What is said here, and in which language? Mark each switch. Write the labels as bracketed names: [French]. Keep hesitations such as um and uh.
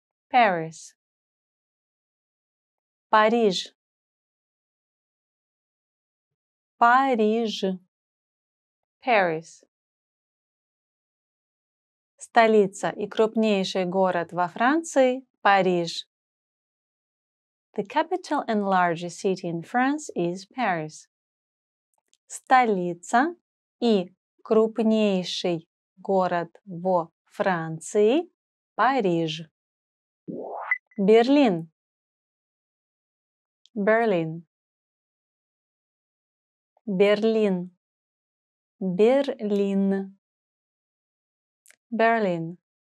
[English] Paris. [Russian] Париж. [English] Париж. Paris. Paris. Paris. Paris. [Russian] Столица и крупнейший город во Франции – Париж. [English] The capital and largest city in France is Paris. [Russian] Столица и крупнейший город во Франции, Париж. Берлин. Берлин. Берлин. Берлин. Берлин.